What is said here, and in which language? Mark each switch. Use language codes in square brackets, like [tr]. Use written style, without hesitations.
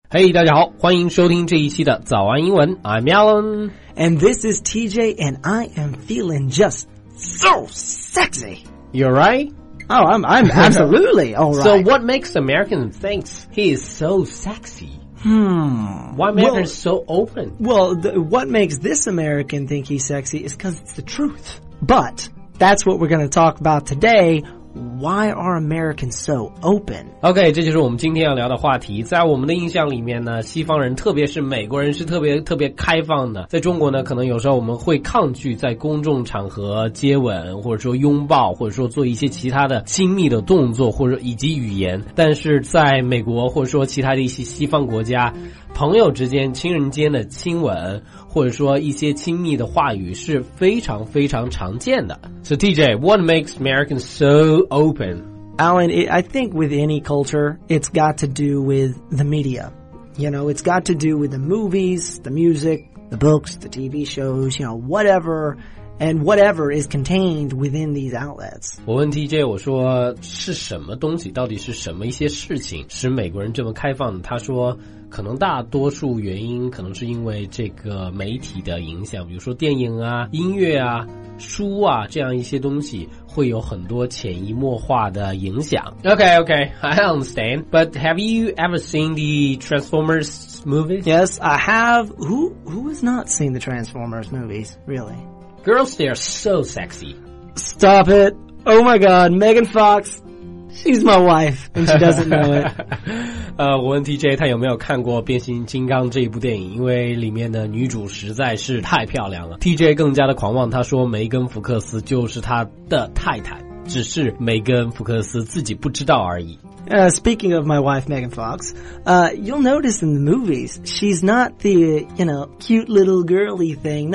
[zh] 嘿、 [en] hey, [zh] 大家好，欢迎收听这一期的早安英文。 [en] I'm Alan. And this is TJ, and I am feeling just so sexy. You're right? Oh, I'm absolutely alright. So what makes Americans think he is so sexy? Why Americans are so open? Well, what makes this American think he's sexy is because it's the truth. But that's what we're going to talk about today. Why are Americans so open? [zh] OK, 这就是我们今天要聊的话题。在我们的印象里面呢，西方人特别是美国人是特别特别开放的。在中国呢，可能有时候我们会抗拒在公众场合接吻，或者说拥抱，或者说做一些其他的亲密的动作，或者以及语言。但是在美国或者说其他的一些西方国家，朋友之间、亲人间的亲吻，或者说一些亲密的话语是非常非常常见的。 [en] So TJ, what makes Americans so open? Alan, I think with any culture, it's got to do with the media. You know, it's got to do with the movies, the music, the books, the TV shows, you know, whatever, and whatever is contained within these outlets. [zh] 我问 TJ, 我说是什么东西，到底是什么一些事情使美国人这么开放的？他说可能大多数原因可能是因为这个媒体的影响，比如说电影啊、音乐啊、书啊，这样一些东西会有很多潜移默化的影响。 [en] Okay, okay, I understand. But have you ever seen the Transformers movies? Yes, I have. Who has not seen the Transformers movies, really? Girls, they are so sexy. Stop it. Oh my god, Megan Fox... She's my wife, and she doesn't know it. [zh] 我问 TJ 他有没有看过变形金刚这一部电影，因为里面的女主实在是太漂亮了。 TJ 更加的狂妄，他说梅根福克斯就是他的太太，只是梅根福克斯自己不知道而已。 [en] Speaking of my wife, Megan Fox, you'll notice in the movies, she's not the, you know, cute little girly thing.